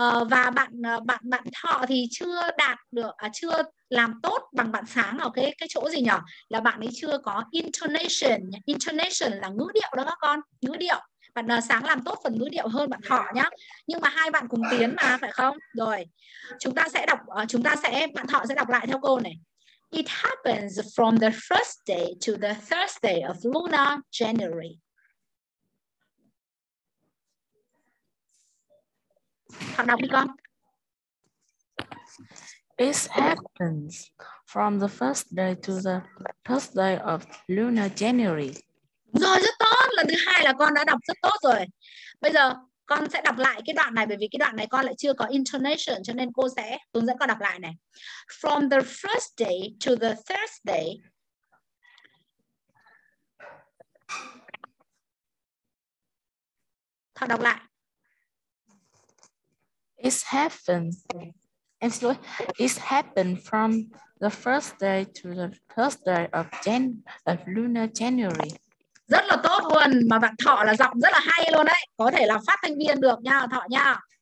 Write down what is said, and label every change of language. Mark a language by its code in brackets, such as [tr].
[vi] Và bạn Thọ thì chưa đạt được, chưa làm tốt bằng bạn Sáng ở cái chỗ gì nhỉ? Là bạn ấy chưa có intonation. Intonation là ngữ điệu đó các con, ngữ điệu. Bạn Sáng làm tốt phần ngữ điệu hơn bạn Thọ nhá. Nhưng mà hai bạn cùng tiến mà, phải không? Rồi, chúng ta sẽ đọc, bạn Thọ sẽ đọc lại theo cô này. [en] It happens from the first day to the Thursday of Lunar January. [vi] Đọc đi con. [en] It happens from the first day to the first day of Lunar January. [vi] Rồi, rất tốt. Lần thứ hai là con đã đọc rất tốt rồi. Bây giờ con sẽ đọc lại cái đoạn này bởi vì cái đoạn này con lại chưa có intonation cho nên cô sẽ hướng dẫn con đọc lại này. [en] From the first day to the Thursday. [vi] Thôi đọc lại. [en] It happened from the first day to the first day of Lunar January. [vi] Rất là tốt luôn, mà bạn Thọ là giọng rất là hay luôn đấy, có thể là phát thanh viên được nha Thọ nha.